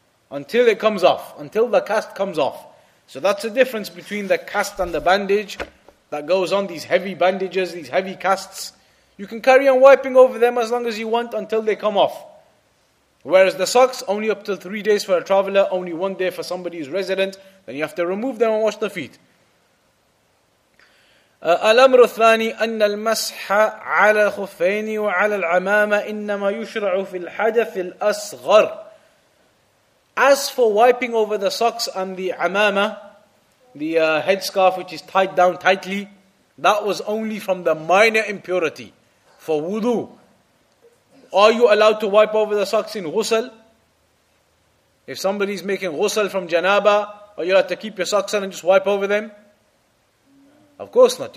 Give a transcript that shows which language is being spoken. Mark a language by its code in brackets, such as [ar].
[en] Until it comes off. Until the cast comes off. So that's the difference between the cast and the bandage that goes on, these heavy bandages, these heavy casts. You can carry on wiping over them as long as you want until they come off. Whereas the socks, only up to 3 days for a traveler, only 1 day for somebody who's resident. Then you have to remove them and wash the feet. [ar] الأمر الثاني أن المسح على الخفين وعلى العمامة إنما يشرع في الحدث الأصغر. [en] As for wiping over the socks and the amama, the headscarf which is tied down tightly, that was only from the minor impurity for wudu. Are you allowed to wipe over the socks in ghusl? If somebody is making ghusl from janaba, are you allowed to keep your socks on and just wipe over them? Of course not.